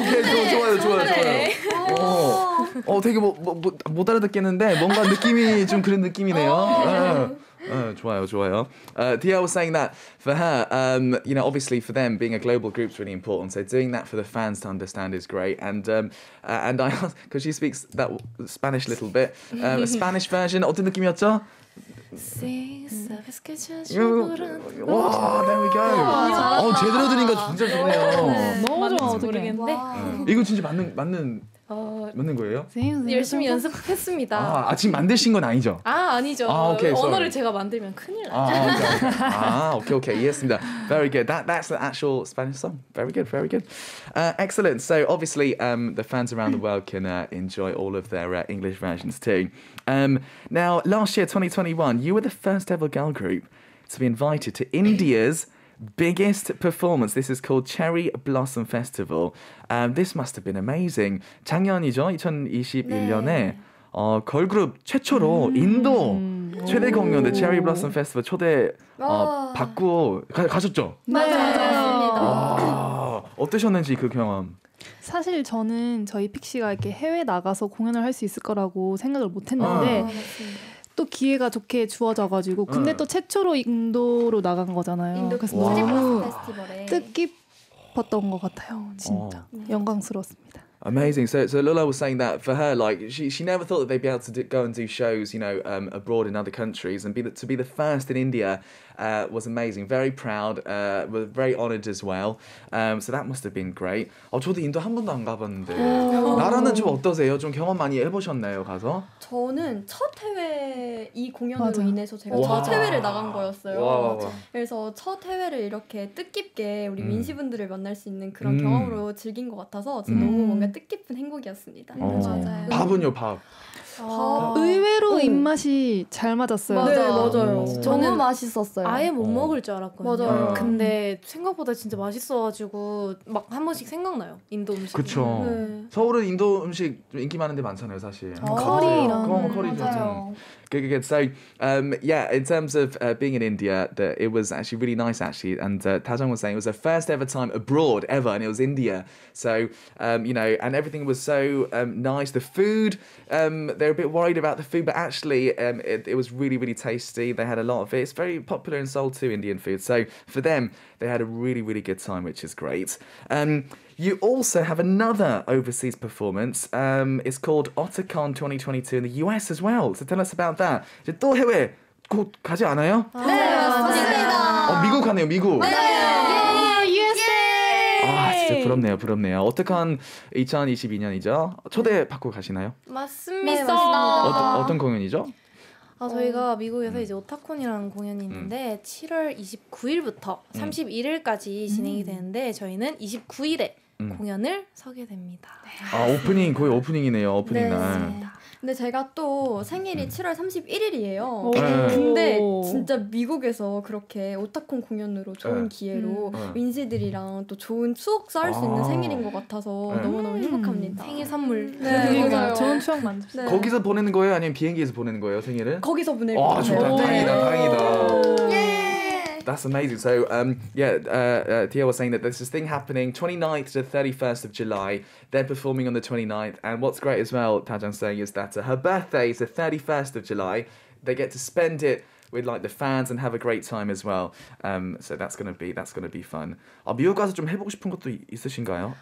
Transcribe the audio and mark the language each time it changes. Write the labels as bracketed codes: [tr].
[ko] 오케이, 좋아요. 되게 못 알아듣겠는데 뭔가 느낌이 좀 그런 느낌이네요. 좋아요. [en] Tia was saying that for her, you know, obviously for them being a global group is really important. So doing that for the fans to understand is great. And I asked because she speaks that Spanish little bit, a Spanish version. [ko] 어떤 느낌이었죠? [en] There we go. [ko] 제대로 들으니까 진짜 좋네요. 너무 좋아 어떻게 이거 진짜 맞는 맞는 거예요? 선생님 열심히 연습했습니다. 아, 지금 만드신 건 아니죠? 아, 아니죠. 아, 오케이, 언어를 제가 만들면 큰일 나죠. 아, 아, 오케이, 오케이, 이해했습니다. [en] Very good. That's the actual Spanish song. Very good, very good. Excellent. So obviously, the fans around the world can enjoy all of their English versions too. Now, last year, 2021, you were the first ever girl group to be invited to India's biggest performance. This is called Cherry Blossom Festival. This must have been amazing. [ko] 작년이죠, 2021년에 네. 걸그룹 최초로 인도 최대 공연대 Cherry Blossom Festival 초대 받고 가셨죠? 맞아요. 네. 어떠셨는지 그 경험. 사실 저는 저희 픽시가 이렇게 해외 나가서 공연을 할 수 있을 거라고 생각을 못했는데 또 기회가 좋게 주어져가지고 근데 또 최초로 인도로 나간 거잖아요. 인도 그래서 와. 너무 뜻깊었던 것 같아요. 진짜 영광스러웠습니다. [en] Amazing. So Lola was saying that for her, like she never thought that they'd be able to go and do shows, you know, abroad in other countries, and to be the first in India was amazing. Very proud. Was very honored as well. So that must have been great. [ko] 저도 인도 한 번도 안 가봤는데 나라는 좀 어떠세요? 좀 경험 많이 해보셨나요, 가서? 저는 첫 해외 이 공연으로 맞아. 인해서 제가 첫 해외를 나간 거였어요. 와. 그래서 첫 해외를 이렇게 뜻깊게 우리 민시 분들을 만날 수 있는 그런 경험으로 즐긴 것 같아서 진짜 너무 뭔가 뜻깊은 행복이었습니다. 맞아요. 밥은요, 밥. 의외로 입맛이 잘 맞았어요. 맞아요. 네, 맞아요. 저는 맛있었어요. 아예 못 먹을 줄 알았거든요. 맞아요. 근데 생각보다 진짜 맛있어가지고 막 한 번씩 생각나요. 인도 음식. 그쵸. 네. 서울은 인도 음식 인기 많은데 많잖아요, 사실. 커리랑. 그럼 커리 맞아요. [en] Good, good, good. So, yeah, in terms of being in India, that it was actually really nice, actually. And Tajang was saying it was her first ever time abroad, ever, and it was India. So, you know, and everything was so nice. The food, they're a bit worried about the food, but actually it was really, really tasty. They had a lot of it. It's very popular in Seoul too, Indian food. So for them, they had a really, really good time, which is great. You also have another overseas performance. It's called Otakon 2022 in the US as well. So tell us about that. [ko] 이제 또 해외 곧 가지 않아요? 네, 맞습니다. 미국 가네요, 미국. 네, 예, USA. 아, 진짜 부럽네요, 부럽네요. Otakon 2022년이죠? 초대 받고 가시나요? 맞습니다. 어떤 공연이죠? 아, 저희가 미국에서 이제 오타콘이라는 공연이 있는데 7월 29일부터 31일까지 진행이 되는데 저희는 29일에 공연을 서게 됩니다. 네. 아, 오프닝 거의 오프닝이네요. 오프닝 네. 날. 근데 제가 또 생일이 7월 31일이에요. 근데 진짜 미국에서 그렇게 오타콘 공연으로 좋은 기회로 민시들이랑 또 좋은 추억 쌓을 수 있는 생일인 것 같아서 너무너무 행복합니다. 생일 선물. 네, 좋은 추억 만들 네. 거기서 보내는 거예요? 아니면 비행기에서 보내는 거예요, 생일을? 거기서 보내는 거예요. 아, 좋다. 다행이다, 다행이다. [en] That's amazing. So, Tia was saying that there's this thing happening 29th to 31st of July. They're performing on the 29th. And what's great as well, Tajang saying, is that her birthday is the 31st of July. They get to spend it with like the fans and have a great time as well. So that's gonna be fun. [ko] 아, 미국 가서 좀 해보고 싶은 것도 있으신가요?